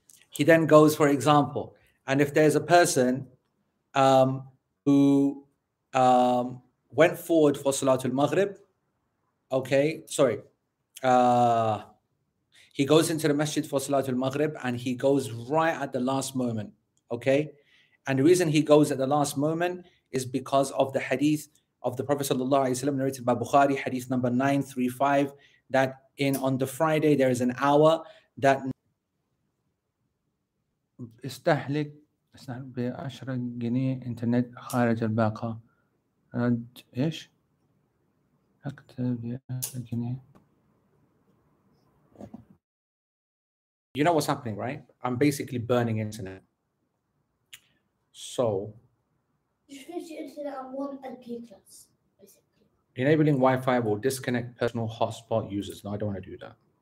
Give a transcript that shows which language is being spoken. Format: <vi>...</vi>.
<en>He then goes, for example, and if there's a person who went forward for Salatul Maghrib, okay, sorry, he goes into the masjid for Salatul Maghrib and he goes right at the last moment, okay? And the reason he goes at the last moment is because of the hadith of the Prophet sallallahu alaihi wasallam narrated by Bukhari, hadith number 935, that on the Friday there is an hour that...</en> <ar>استهلك بعشرة جنيه إنترنت خارج الباقة رد إيش أكتب بعشرة جنيه.</ar> <en>You know what's happening, right? I'm basically burning internet. So. You finish your internet on 1 MB plus, basically. Enabling Wi-Fi will disconnect personal hotspot users. No, I don't want to do that.</en>